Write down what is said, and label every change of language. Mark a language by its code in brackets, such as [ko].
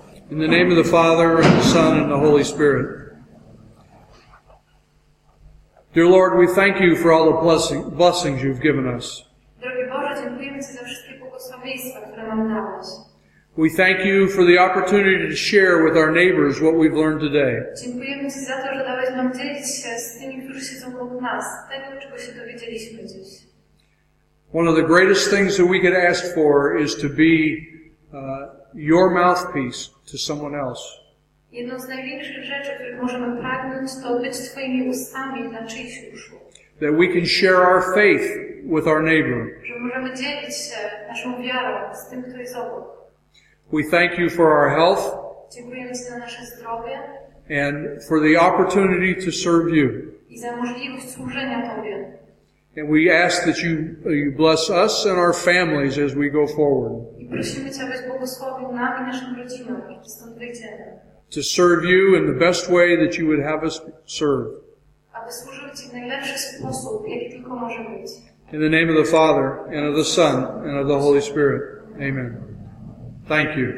[en] In the name of the Father, and the Son, and the Holy Spirit. Dear Lord, we thank you for all the blessings you've given us. [pl] Drogi Boże, dziękujemy Ci za wszystkie błogosławieństwa, które nam dałeś. [en] We thank you for the opportunity to share with our neighbors what we've learned today. [pl] Dziękujemy Ci za to, że dałeś nam dzielić się z tymi, którzy siedzą obok nas, tego, czego się dowiedzieliśmy dziś. [en] One of the greatest things that we could ask for is to be your mouthpiece to someone else. [pl] Jedną z największych rzeczy, których możemy pragnąć, to być Twoimi ustami dla czyichś uszu. [en] That we can share our faith with our neighbor. [pl] Że możemy dzielić się naszą wiarą z tym, kto jest obok. [en] We thank you for our health. [pl] Dziękujemy Ci za nasze zdrowie. [en] And for the opportunity to serve you. [pl] I za możliwość służenia Tobie. [en] And we ask that you bless us and our families as we go forward. [pl] I prosimy Cię, abyś błogosławił nam i naszym rodzinom, jak stąd wyjdziemy. [en] To serve you in the best way that you would have us serve. [pl] Aby służyć Ci w najlepszy sposób, jaki tylko może być. [en] In the name of the Father, and of the Son, and of the Holy Spirit. Amen. Thank you.